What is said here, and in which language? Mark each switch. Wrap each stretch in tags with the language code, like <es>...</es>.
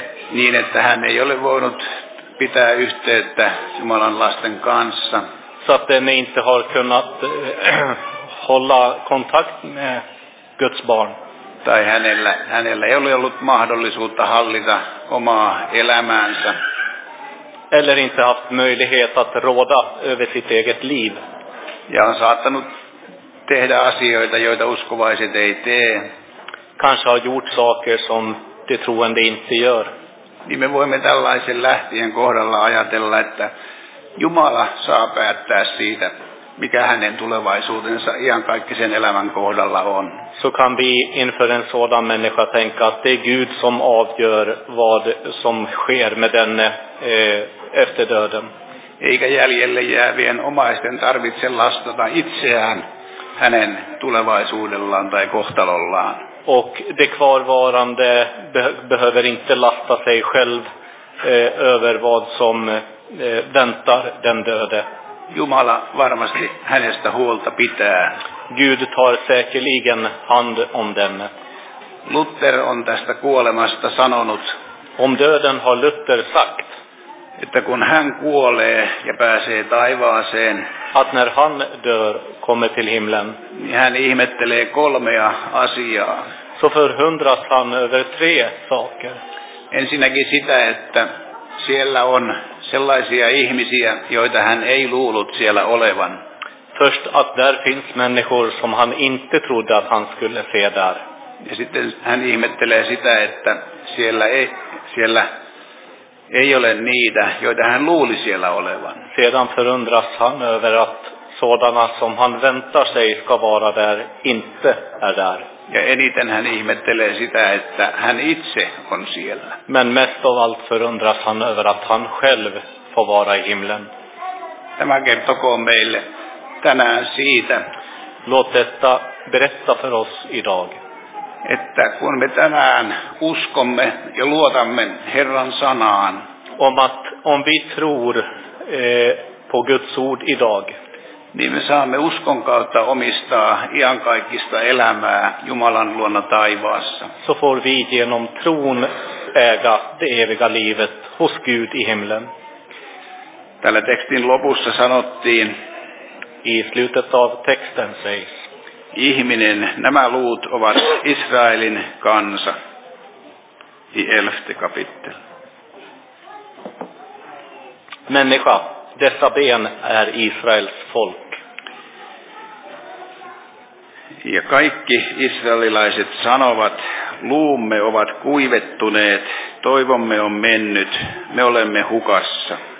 <fi>Niin, että hän ei ole voinut pitää yhteyttä Jumalan lasten kanssa.</fi> <sv>Så att den inte har kunnat hålla kontakt med Guds barn.</sv> <fi>Tai hänellä ei ole ollut mahdollisuutta hallita omaa elämäänsä.</fi> <sv>Eller inte haft möjlighet att råda över sitt eget liv.</sv> <fi>Ja on saattanut tehdä asioita, joita uskovaiset ei tee.</fi> <sv>Kanske har gjort saker som det troende inte gör.</sv> <fi>Niin me voimme tällaisen lähtien kohdalla ajatella, että Jumala saa päättää siitä, mikä hänen tulevaisuutensa iankaikkisen elämän kohdalla on.</fi> <sv>Så kan vi inför en sådan människa tänka att det är Gud som avgör vad som sker med den efter döden.</sv> <fi>Eikä jäljelle jäävien omaisten tarvitse lastata itseään hänen tulevaisuudellaan tai kohtalollaan.</fi> <sv>Och det kvarvarande behöver inte lasta sig själv över vad som väntar den döde.</sv> <fi>Jumala varmasti hänestä huolta pitää.</fi> <sv>Gud tar säkerligen hand om den.</sv> <fi>Luther on tästä kuolemasta sanonut.</fi> <sv>Om döden har Luther sagt.</sv> <fi>Että kun hän kuolee ja pääsee taivaaseen.</fi> <sv>Att när han dör kommer till himlen.</sv> <fi>Niin hän ihmettelee kolmea asiaa.</fi> <sv>Så förhundras han över tre saker.</sv> <fi>Ensinnäkin sitä, että siellä on sellaisia ihmisiä, joita hän ei luullut siellä olevan.</fi> <sv>Först att där finns människor som han inte trodde att han skulle se där.</sv> <fi>Ja sitten hän ihmettelee sitä, että siellä ei ole niitä, joita hän luuli siellä olevan.</fi> <sv>Sedan förundras han över att sådana som han väntar sig ska vara där inte är där.</sv> <fi>Ja eniten hän ihmettelee sitä, että hän itse on siellä.</fi> <sv>Men mest av allt förundras han över att han själv får vara i himlen.</sv> <fi>Tämä kertokoon meille tänään siitä.</fi> <sv>Låt detta berätta för oss idag.</sv> <fi>Että kun me tänään uskomme ja luotamme Herran sanaan.</fi> <sv>Om vi tror på Guds ord idag.</sv> <fi>Niin me saamme uskon kautta omistaa iankaikkista elämää Jumalan luona taivaassa.</fi> <sv>Så får vi genom tron äga det eviga livet hos Gud i himlen.</sv> <fi>Tällä tekstin lopussa sanottiin.</fi> <sv>I slutet av texten sägs.</sv> <fi>Ihminen, nämä luut ovat Israelin kansa.</fi> <sv>I 11 kapitel. Människa, dessa ben är Israels folk.</sv> <fi>Ja kaikki israelilaiset sanovat, luumme ovat kuivettuneet, toivomme on mennyt, me olemme hukassa.</fi>